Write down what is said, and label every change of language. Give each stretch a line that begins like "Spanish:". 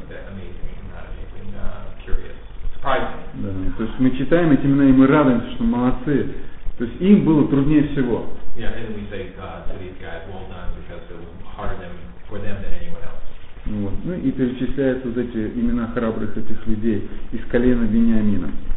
English: Amazing, curious, surprising.
Russian: То есть мы читаем эти имена, и мы радуемся, что молодцы. То есть им было труднее всего.
English: Yeah, and we say to these guys, well done, because it was harder for them than anyone else.
Russian: Вот. Ну и перечисляются вот эти имена храбрых этих людей из колена Вениамина.